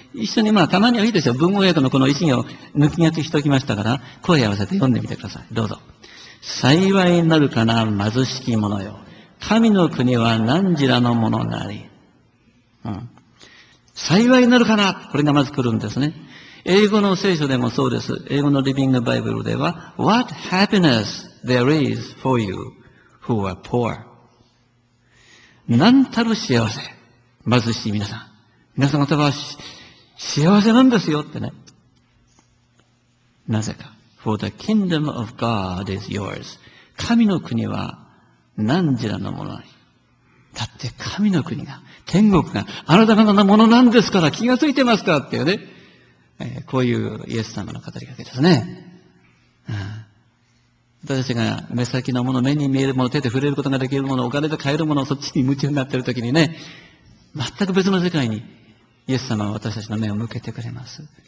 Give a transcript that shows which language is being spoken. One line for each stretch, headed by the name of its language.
Japanese: 一緒に、まあ、たまにはいいですよ。文語訳のこの一行を抜き書きしておきましたから、声合わせて読んでみてください。どうぞ。幸いになるかな、貧しき者よ。神の国は何時らのものなり。うん。幸いになるかな、これがまず来るんですね。英語の聖書でもそうです。英語のリビングバイブルでは、
English: What happiness there is for you who are poor。
Japanese: 何たる幸せ。貧しい皆さん。皆さん方は幸せなんですよってね。なぜか。
English: For the kingdom of God is yours.
Japanese: 神の国は何時らのものなり。だって神の国が、天国があなた方のものなんですから気がついてますかっていうね。こういうイエス様の語りかけですね。うん、私たちが目先のもの、目に見えるもの、手で触れることができるもの、お金で買えるもの、そっちに夢中になっているときにね、全く別の世界にイエス様は私たちの目を向けてくれます。